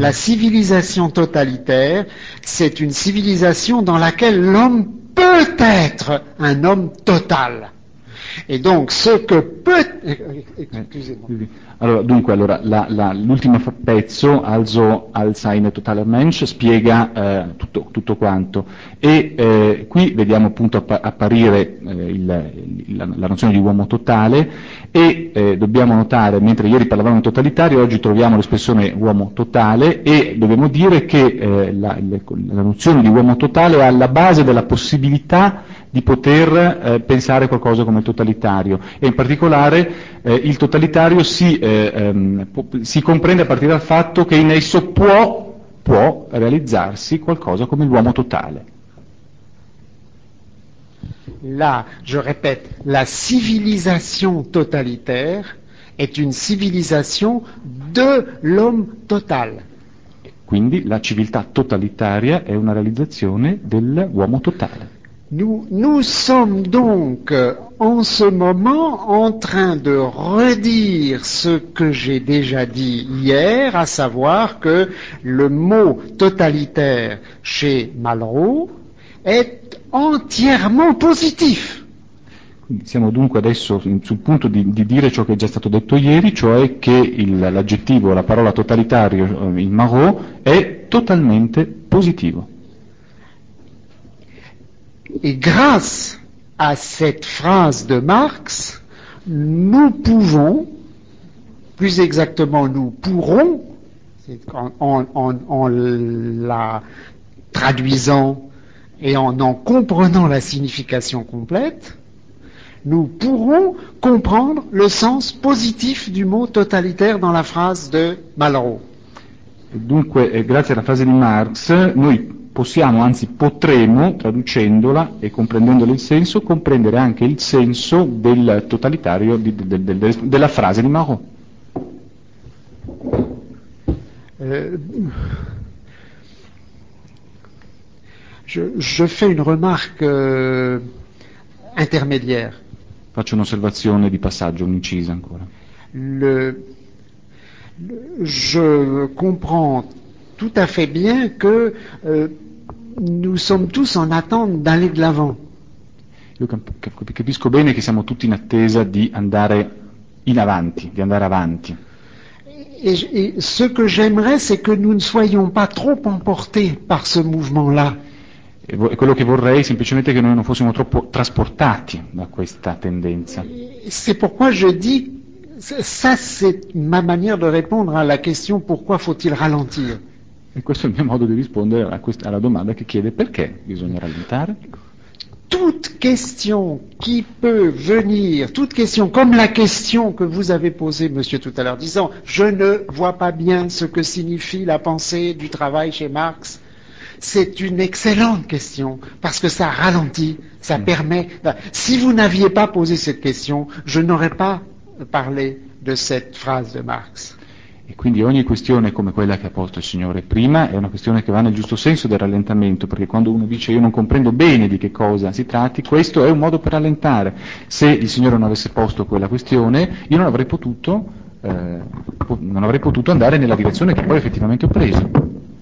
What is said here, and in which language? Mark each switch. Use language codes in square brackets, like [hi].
[fr] La civilisation totalitaire, c'est une civilisation dans laquelle l'homme peut être un homme total. Et donc, ce que peut... Excusez-moi. [it] Allora, dunque, allora, l'ultimo pezzo, [de] also Alzheimer totaler Mensch, [it] spiega tutto quanto. E qui vediamo appunto apparire la nozione di uomo totale, e dobbiamo notare, mentre ieri parlavamo di totalitario, oggi troviamo l'espressione uomo totale, e dobbiamo dire che la nozione di uomo totale è alla base della possibilità di poter pensare qualcosa come totalitario, e in particolare il totalitario si comprende a partire dal fatto che in esso può realizzarsi qualcosa come l'uomo totale. [fr] là, je répète, la civilisation totalitaire est une civilisation de l'homme total. [it] Quindi la civiltà totalitaria è una realizzazione dell'uomo totale. [fr] Nous sommes donc en ce moment en train de redire ce que j'ai déjà dit hier, à savoir que le mot totalitaire chez Malraux est entièrement positif. [it] Siamo dunque adesso sul punto di dire ciò che è già stato detto ieri, cioè che l'aggettivo, la parola totalitario in Malraux è totalmente positivo. [fr] Et grâce à cette phrase de Marx, nous pouvons, plus exactement nous pourrons, en la traduisant et en comprenant la signification complète, nous pourrons comprendre le sens positif du mot totalitaire dans la phrase de Malraux. [it] Dunque, grazie alla frase di Marx, noi possiamo, anzi potremo, traducendola e comprendendole il senso, comprendere anche il senso del totalitario, della frase di Malraux. [fr] Je fais une remarque intermédiaire. [it] Faccio un'osservazione di passaggio, un'incisa ancora. [fr] Je comprends tout à fait bien que nous sommes tous en attente d'aller de l'avant. [it] Io capisco bene che siamo tutti in attesa di andare in avanti, di andare avanti. [fr] Et ce que j'aimerais, c'est que nous ne soyons pas trop emportés par ce mouvement-là. [it] E quello che vorrei semplicemente che noi non fossimo troppo trasportati da questa tendenza. [fr] C'est pourquoi je dis, ça c'est ma manière de répondre à la question pourquoi faut-il ralentir. [it] E questo è il mio modo di rispondere alla domanda che chiede perché bisogna rallentare. [fr] Toute question qui peut venir, toute question comme la question que vous avez posée, monsieur, tout à l'heure, disant je ne vois pas bien ce que signifie la pensée du travail chez Marx. C'est une excellente question, parce que ça ralentit, ça permet. Si vous n'aviez pas posé cette question, je n'aurais pas parlé de cette phrase de Marx. [it] E quindi ogni questione come quella che ha posto il Signore prima è una questione che va nel giusto senso del rallentamento, perché quando uno dice io non comprendo bene di che cosa si tratti, questo è un modo per rallentare. Se il Signore non avesse posto quella questione, io non avrei potuto andare nella direzione che poi effettivamente ho preso.